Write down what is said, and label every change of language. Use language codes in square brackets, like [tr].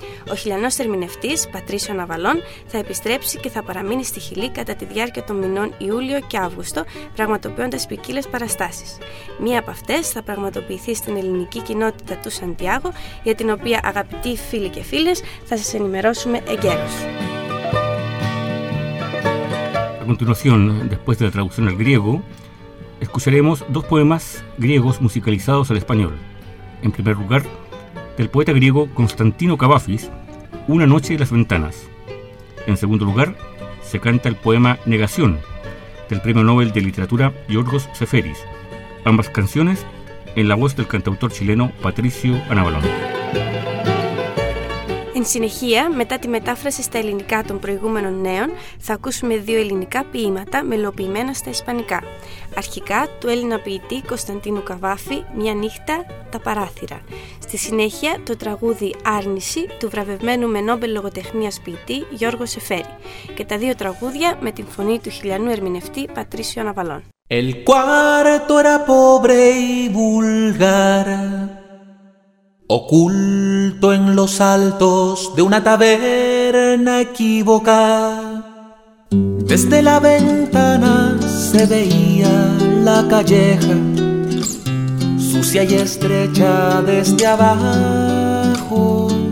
[el] Ο χιλιανός ερμηνευτής, Πατρίσιο Ναβαλών, θα επιστρέψει και θα παραμείνει στη Χιλή κατά τη διάρκεια των μηνών Ιούλιο και Αύγουστο, πραγματοποιώντας ποικίλες παραστάσεις. Μία από αυτές θα πραγματοποιηθεί στην ελληνική κοινότητα του Σαντιάγο, για την οποία, αγαπητοί φίλοι και φίλες, θα σας ενημερώσουμε εγκαίρως. [es] A continuación, después de la traducción al griego, escucharemos dos poemas griegos musicalizados al español. En primer lugar, del poeta griego Constantino Cavafis, Una noche de las ventanas. En segundo lugar, se canta el poema Negación, del premio Nobel de Literatura Yorgos Seferis. Ambas canciones en la voz del cantautor chileno Patricio Anabalón. En [el] συνεχεία, μετά τη μετάφραση στα ελληνικά των προηγούμενων νέων, θα ακούσουμε δύο ελληνικά ποίηματα μελοποιημένα στα ισπανικά. Αρχικά, του Έλληνα ποιητή Κωνσταντίνου Καβάφη, Μια νύχτα, τα παράθυρα. Στη συνέχεια, το τραγούδι Άρνηση, του βραβευμένου με Νόμπελ λογοτεχνίας ποιητή Γιώργο Σεφέρη. Και τα δύο τραγούδια με την φωνή του χιλιανού ερμηνευτή Πατρίσιο Ναβαλών. [es] El cuarto era pobre y vulgar. Oculto en los altos de una taberna equívoca. Desde la ventana se veía la calleja, sucia y estrecha desde abajo.